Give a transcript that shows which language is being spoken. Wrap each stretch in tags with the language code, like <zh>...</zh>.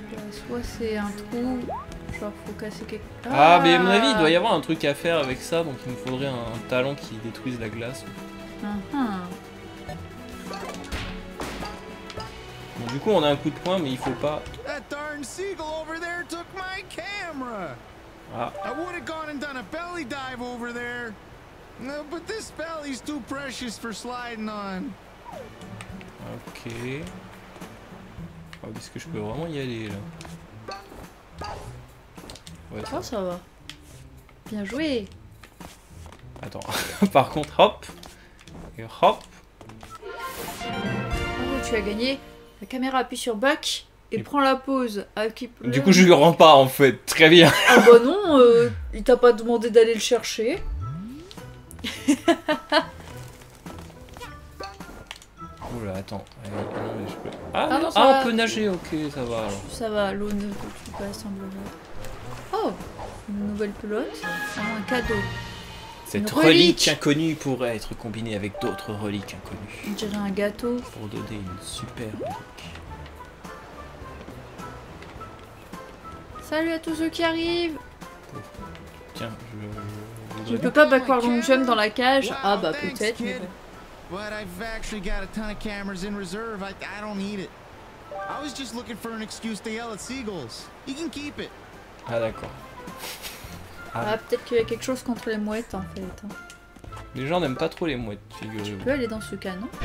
<fr>Soit c'est un trou, genre faut casser quelque part. Ah, mais à mon avis, il doit y avoir un truc à faire avec ça, donc il me faudrait un talon qui détruise la glace. Bon, du coup, on a un coup de poing, mais il faut pas.</fr> <en>That darn seagull over there took my camera. Ah. I would have gone and done a belly dive over there. But this belly's too precious for sliding on. Ok.</en> <fr>Oh, est-ce que je peux vraiment y aller là? Ouais, oh, ça va. Bien joué. Attends, par contre, hop. Et hop. Oh, tu as gagné. La caméra appuie sur Buck et prend la pose. Du coup, je lui rends pas en fait. Très bien. Ah bah non, il t'a pas demandé d'aller le chercher. Oula, attends. Ah, on peut nager, ok, ça va. Alors. Ça va, l'eau ne peut pas s'envoler. Oh, une nouvelle pelote, un cadeau. Cette relique inconnue pourrait être combinée avec d'autres reliques inconnues. On dirait un gâteau. Pour donner une super relique. Salut à tous ceux qui arrivent. Tiens, je peux pas</fr> <en>backward long jump</en> <fr>dans la cage. Wow, ah bah peut-être, mais bon.</fr> <en>But I've actually got a ton of cameras in reserve. I don't need it. I was just looking for an excuse to yell at seagulls. You can keep it.</en> <fr>Ah d'accord. Ah, peut-être qu'il y a quelque chose contre les mouettes en fait. Les gens n'aiment pas trop les mouettes, figurez-vous. Tu peux aller dans ce canon?</fr>